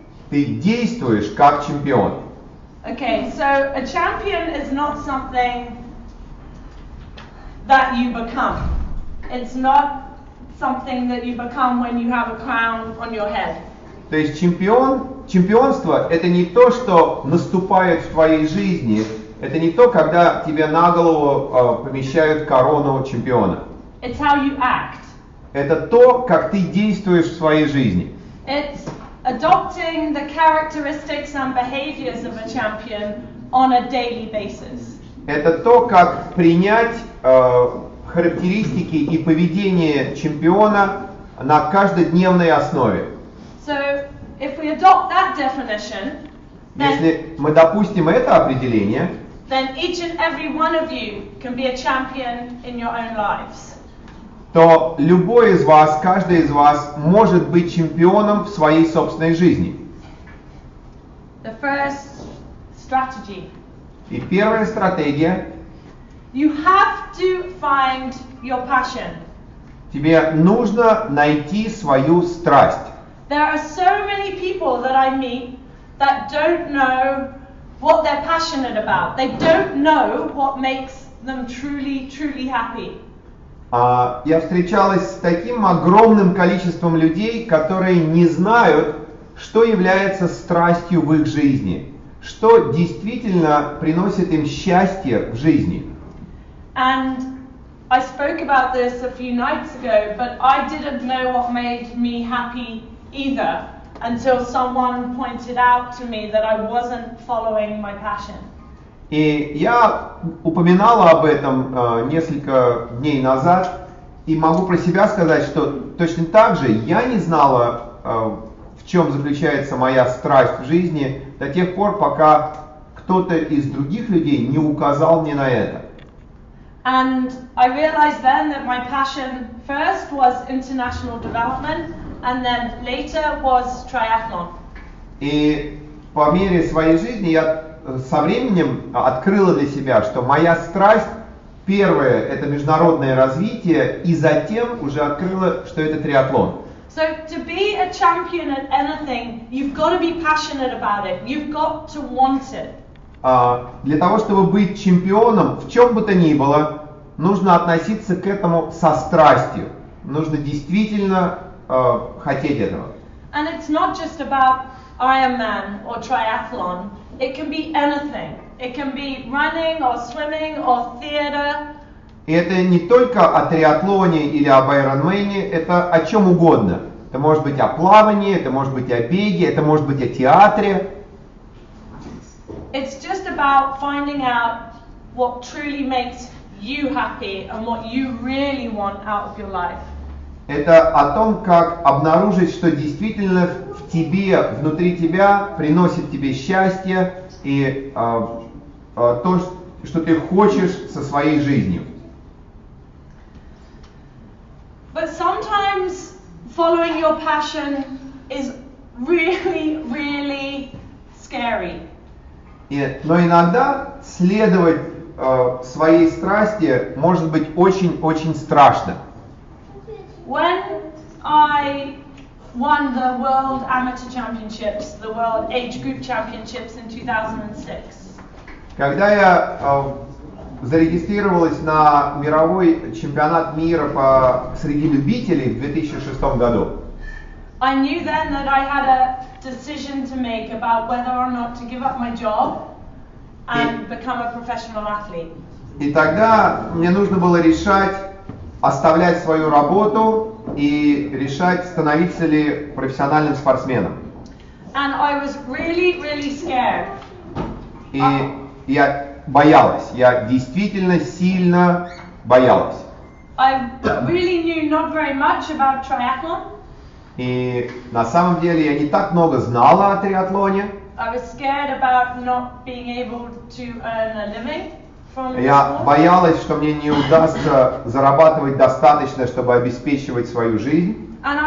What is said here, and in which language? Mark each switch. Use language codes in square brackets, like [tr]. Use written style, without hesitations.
[ru] Ты действуешь как чемпион. [en] Okay, so a champion is not something that you become. It's not something that you become when you have a crown on your head. [ru] То есть чемпионство это не то, что наступает в твоей жизни. Это не то, когда тебе на голову помещают корону чемпиона. [en] It's how you act. [ru] Это то, как ты действуешь в своей жизни. [en] It's adopting the characteristics and behaviors of a champion on a daily basis. [ru] Это то, как принять характеристики и поведение чемпиона на каждодневной основе. [en] So, if we adopt that definition, [ru] если мы допустим это определение, [en] then each and every one of you can be a champion in your own lives. [ru] То любой из вас, каждый из вас может быть чемпионом в своей собственной жизни. [en] The first strategy. [ru] И первая стратегия. [en] You have to find your passion. [ru] Тебе нужно найти свою страсть. [en] There are so many people that I meet that don't know what they're passionate about. They don't know what makes them truly, truly happy. [ru] Я встречалась с таким огромным количеством людей, которые не знают, что является страстью в их жизни, что действительно приносит им счастье в жизни. [en] And I spoke about this a few nights ago, but I didn't know what made me happy either. Until someone pointed out to me that I wasn't following my passion. [ru] И я упоминала об этом несколько дней назад, и могу про себя сказать, что точно так же я не знала, в чем заключается моя страсть в жизни, до тех пор, пока кто-то из других людей не указал мне на это. [en] And I realized then that my passion first was international development. And then later was triathlon. [ru] И по мере своей жизни я со временем открыла для себя, что моя страсть первая это международное развитие, и затем уже открыла, что это триатлон. [en] So to be a champion at anything, you've got to be passionate about it. You've got to want it. [ru] Для того, чтобы быть чемпионом в чем бы то ни было, нужно относиться к этому со страстью. Нужно действительно хотеть этого. [en] And it's not just about Ironman or triathlon. It can be anything. It can be running or swimming or theater. [ru] И это не только о триатлоне или об Ironman, это о чем угодно. Это может быть о плавании, это может быть о беге, это может быть о театре. [en] It's just about finding out what truly makes you happy and what you really want out of your life. [ru] Это о том, как обнаружить, что действительно в тебе, внутри тебя, приносит тебе счастье и то, что ты хочешь со своей жизнью. [en] But sometimes following your passion is really, really scary. [ru] Но иногда следовать своей страсти может быть очень-очень страшно. [en] When I won the World Amateur Championships, the World Age Group Championships in 2006. [ru] Когда я зарегистрировалась на мировой чемпионат мира по среди любителей в 2006 году. [en] I knew then that I had a decision to make about whether or not to give up my job and become a professional athlete. [ru] И тогда мне нужно было решать оставлять свою работу и решать, становиться ли профессиональным спортсменом. [en] And I was really, really scared. [ru] И я боялась, я действительно сильно боялась. [en] I really knew not very much about triathlon. [ru] И на самом деле я не так много знала о триатлоне. [en] I was scared about not being able to earn a living. [ru] Я боялась, что мне не удастся зарабатывать достаточно, чтобы обеспечивать свою жизнь.